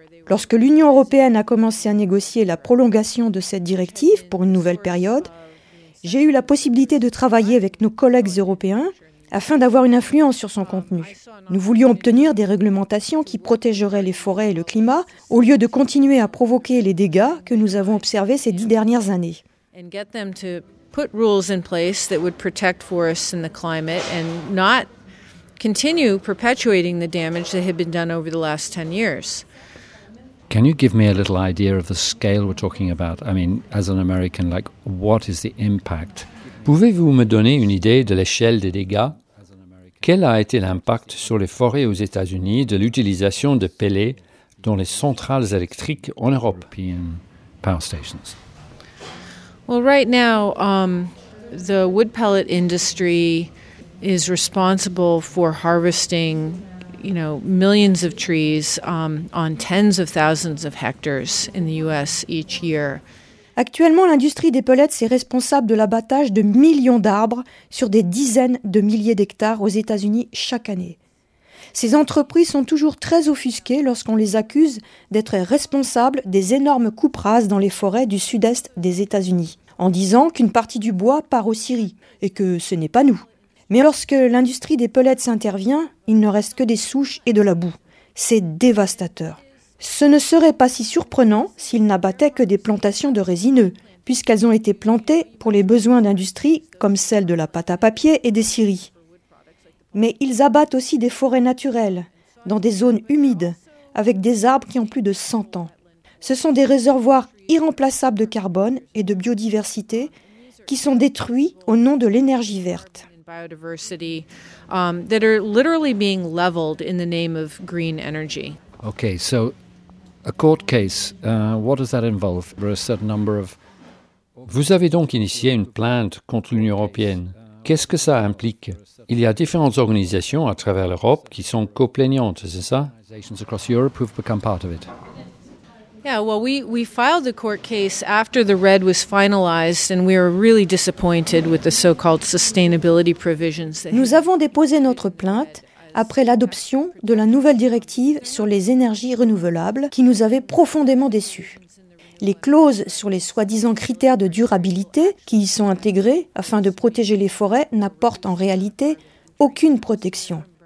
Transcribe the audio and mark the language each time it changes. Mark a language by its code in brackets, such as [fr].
[fr] Lorsque l'Union européenne a commencé à négocier la prolongation de cette directive pour une nouvelle période, j'ai eu la possibilité de travailler avec nos collègues européens afin d'avoir une influence sur son contenu. Nous voulions obtenir des réglementations qui protégeraient les forêts et le climat au lieu de continuer à provoquer les dégâts que nous avons observés ces 10 dernières années. [en] And get them to put rules in place that would protect forests and the climate and not continue perpetuating the damage that had been done over the last 10 years. Can you give me a little idea of the scale we're talking about? I mean, as an American, like what is the impact? [fr] Pouvez-vous me donner une idée de l'échelle des dégâts? Quel a été l'impact sur les forêts aux États-Unis de l'utilisation de pellets dans les centrales électriques en Europe? [en] Power stations. Well, right now, the wood pellet industry is responsible for harvesting, you know, millions of trees on tens of thousands of hectares in the U.S. each year. [fr] Actuellement, l'industrie des pellets est responsable de l'abattage de millions d'arbres sur des dizaines de milliers d'hectares aux États-Unis chaque année. Ces entreprises sont toujours très offusquées lorsqu'on les accuse d'être responsables des énormes coupes rases dans les forêts du sud-est des États-Unis, en disant qu'une partie du bois part aux scieries et que ce n'est pas nous. Mais lorsque l'industrie des pellets intervient, il ne reste que des souches et de la boue. C'est dévastateur. Ce ne serait pas si surprenant s'ils n'abattaient que des plantations de résineux, puisqu'elles ont été plantées pour les besoins d'industries comme celle de la pâte à papier et des scieries. Mais ils abattent aussi des forêts naturelles, dans des zones humides, avec des arbres qui ont plus de 100 ans. Ce sont des réservoirs irremplaçables de carbone et de biodiversité qui sont détruits au nom de l'énergie verte. [en] biodiversity that are literally being leveled in the name of green energy. Okay, so a court case, what does that involve? For a certain number of... [fr] Vous avez donc initié une plainte contre l'Union européenne. Qu'est-ce que ça implique? Il y a différentes organisations à travers l'Europe qui sont co-plaignantes, c'est ça? [en] Organizations across Europe who have become part of it. Yeah, well, we filed the court case after the RED was finalized, and we were really disappointed with the so-called sustainability provisions. [fr] Nous avons déposé notre plainte après l'adoption de la nouvelle directive sur les énergies renouvelables qui nous avait profondément déçus. Les clauses sur les soi-disant critères de durabilité qui y sont intégrées afin de protéger les forêts n'apportent en réalité aucune protection.